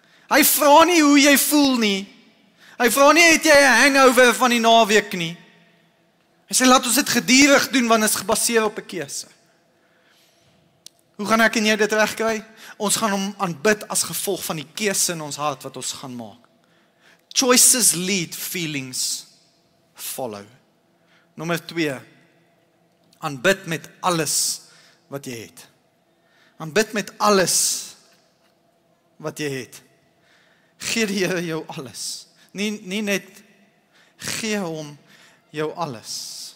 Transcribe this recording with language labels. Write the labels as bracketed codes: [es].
[af] Hy vra nie hoe jy voel nie. Hy vra nie, het jy 'n hangover van die naweek nie? Hy sê, laat ons dit gedurig doen, want is gebaseer op 'n keuse. Hoe gaan ek en jy dit regkry? Ons gaan hom aanbid as gevolg van die keuse in ons hart wat ons gaan maak. [en] Choices lead, feelings follow. [af] Nommer 2, aanbid met alles wat jy het. Aanbid met alles wat jy het. Gee die Here jou alles. Nie net gee hom jou alles.